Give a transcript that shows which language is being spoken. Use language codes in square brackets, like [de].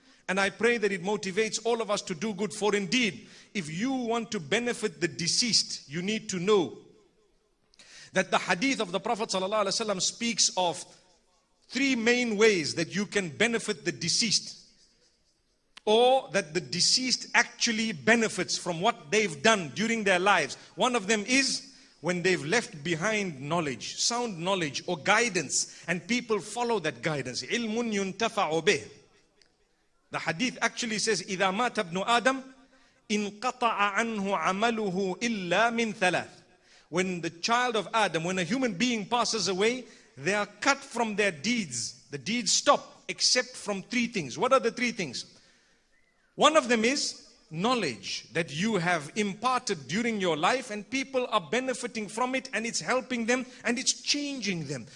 [en] And I pray that it motivates all of us to do good. For indeed, if you want to benefit the deceased, you need to know that the hadith of the Prophet sallallahu alaihi wasallam speaks of three main ways that you can benefit the deceased, or that the deceased actually benefits from what they've done during their lives. One of them is when they've left behind knowledge, sound knowledge or guidance, and people follow that guidance. [ar] Ilmun yuntafa'u bih. [en] The hadith actually says, [ar] إِذَا مَاتَ ابْنُ آدَمْ إِنْ قَطَعَ عَنْهُ عَمَلُهُ إِلَّا مِنْ ثَلَاثٍ. [en] When the child of Adam, when a human being passes away, they are cut from their deeds. The deeds stop except from three things. What are the three things? One of them is knowledge that you have imparted during your life, and people are benefiting from it, and it's helping them and it's changing them.